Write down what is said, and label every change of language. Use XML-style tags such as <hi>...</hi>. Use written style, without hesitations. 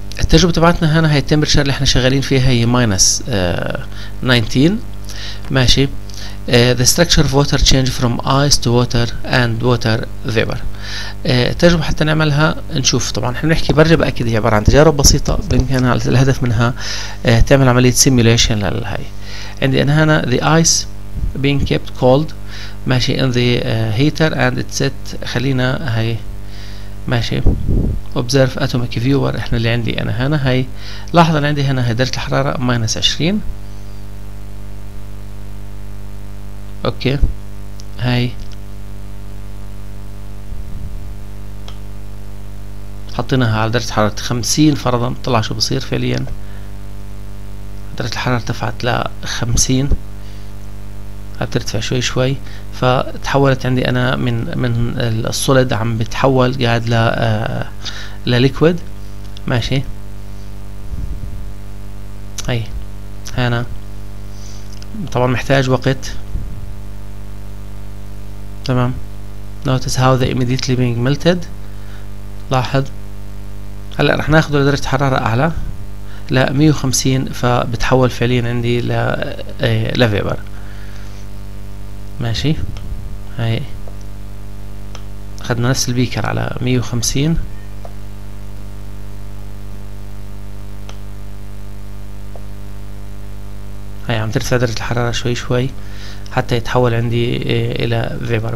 <ar>التجربه تبعتنا هنا هي التمبرشر اللي احنا شغالين فيها هي ماينس 19 ماشي.</ar> <en>The structure of water change from ice to water and water vapor.</en> <ar>التجربة حتى نعملها نشوف، طبعا احنا بنحكي برجع بأكد هي عبارة عن تجارب بسيطة بإمكانها، الهدف منها تعمل عملية simulation للهي. عندي أنا هنا</ar> <en>the ice being kept cold ماشي in the heater and it set،</en> <ar>خلينا هي ماشي</ar> <en>observe atomic viewer.</en> <ar>احنا اللي عندي أنا هنا هي لاحظ أنا عندي هنا هي درجة الحرارة minus 20 اوكي. هاي حطيناها على درجة حرارة 50 فرضا، طلع شو بصير فعليا، درجة الحرارة ارتفعت ل 50، ترتفع شوي شوي، فتحولت عندي انا من الصوليد عم بتحول قاعد لليكويد ماشي. هاي هنا طبعا محتاج وقت تمام.</ar> <en>Notice how they immediately being melted.</en> <ar>لاحظ هلا رح ناخذه لدرجة حرارة أعلى ل 150، فبتحول فعليا عندي ل لفيبر ماشي. هاي أخذنا نفس البيكر على 150 هاي عم ترتفع درجة الحرارة شوي شوي حتى يتحول عندي الى فيبر.</ar>